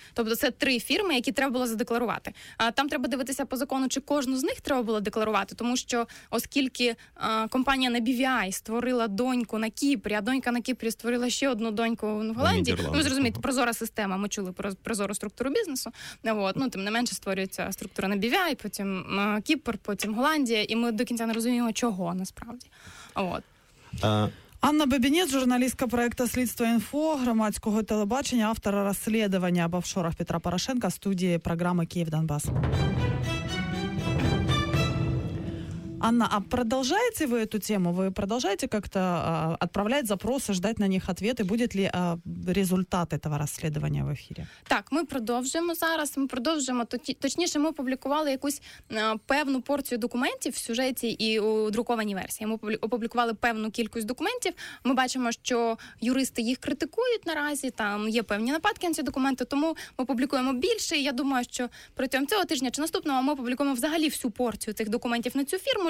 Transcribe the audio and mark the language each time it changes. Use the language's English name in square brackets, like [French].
[Ukrainian] Тобто це три фірми, які треба було задекларувати. Там треба дивитися по закону, чи кожну з них треба було декларувати, тому що оскільки компанія на BVI створила доньку на Кіпрі, а донька на Кіпрі створила ще одну доньку в Голландії, ну, ви зрозумієте, прозора система, ми чули про прозору структуру бізнесу, ну, тим не менше створюється структура на BVI, потім Кіпр, потім Голландія, і ми до кінця не розуміємо, чого насправді. От. Анна Бабінець, журналістка проєкту «Слідство інфо», громадського телебачення, автора розслідування об офшорах Петра Порошенка, студії програми «Київ-Донбас». [Russian] Анна, а продолжаете вы эту тему? Вы продолжаете как-то отправлять запросы, ждать на них ответы? Будет ли результат этого расследования в эфире? [Ukrainian] Так, мы продовжуємо зараз, ми продовжуємо. Точніше, ми опублікували якусь певну порцію документів в сюжеті і у друкованій версії. Ми опублікували певну кількість документів. Ми бачимо, що юристи їх критикують наразі, там є певні нападки на ці документи, тому ми опублікуємо більше. Я думаю, що протягом цього тижня чи наступного ми опублікуємо взагалі всю порцію цих документів на цю фірму.